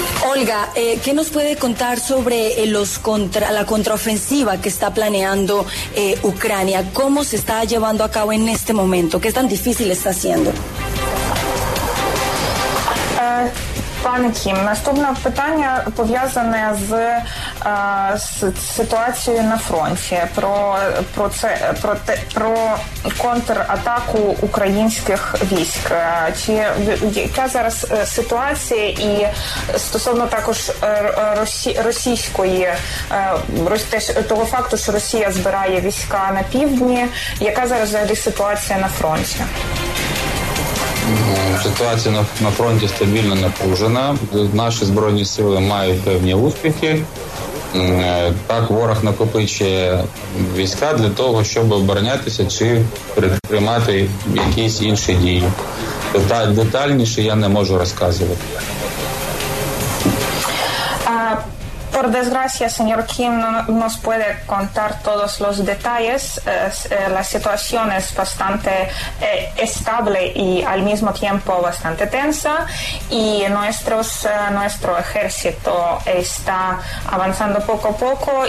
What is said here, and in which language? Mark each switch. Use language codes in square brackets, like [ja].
[es] Olga, ¿qué nos puede contar sobre la contraofensiva que está planeando Ucrania? ¿Cómo se está llevando a cabo en este momento? ¿Qué tan difícil está haciendo? [uk] Пане Кім, наступне питання пов'язане з ситуацією на фронті, про контратаку українських військ. Чи яка зараз ситуація і стосовно також російської, теж того факту, що Росія збирає війська на півдні, яка зараз взагалі ситуація на фронті? Ситуація на фронті стабільно напружена. Наші збройні сили мають певні успіхи. Так, ворог накопичує війська для того, щоб оборонятися чи приймати якісь інші дії. Детальніше я не можу розказувати. [es] Por desgracia, señor Kim, no nos puede contar todos los detalles. La situación es bastante estable y al mismo tiempo bastante tensa. Y nuestro ejército está avanzando poco a poco.